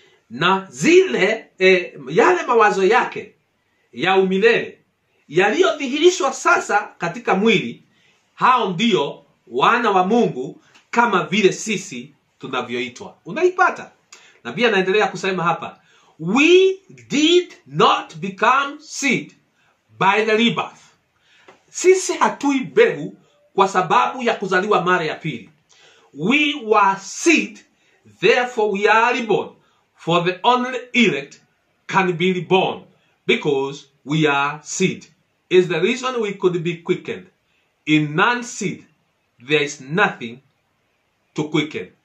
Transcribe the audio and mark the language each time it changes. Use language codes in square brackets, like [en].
[sw] Na zile yale mawazo yake ya umilele yaliyodhihirishwa sasa katika mwili, hao ndio wana wa Mungu kama vile sisi tunavyoitwa. Unaipata? Na pia naendelea kusema hapa, [en] we did not become seed by the rebirth. [sw] Sisi hatui begu kwa sababu ya kuzaliwa mara ya pili. [en] We were seed, therefore we are reborn. For the only elect can be reborn because we are seed. Is the reason we could be quickened. In non-seed, there is nothing to quicken.